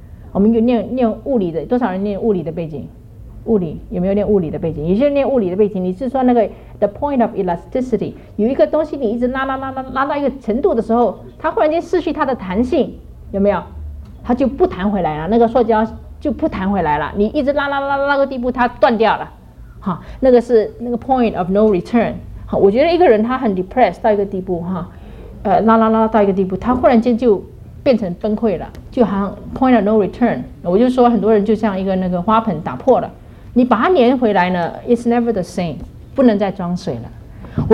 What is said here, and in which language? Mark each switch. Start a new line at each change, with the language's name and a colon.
Chinese: 我们有念物理的，多少人念物理的背景？物理有没有念物理的背景？有些人念物理的背景，你是说那个
English: the point of elasticity，
Chinese: 有一个东西你一直拉拉拉拉拉到一个程度的时候，它忽然间失去它的弹性，有没有？它就不弹回来了，那个塑胶就不弹回来了。你一直拉拉拉拉到个地步，它断掉了。好，那个是那个 point of no return。好，我觉得一个人他很 depressed 到一个地步哈，拉拉拉到一个地步，他忽然间就变成崩溃了，就好像 point of no return。我就说很多人就像一个那个花盆打破了，你把它粘回来呢
English: it's never the same，
Chinese: 不能再装水了。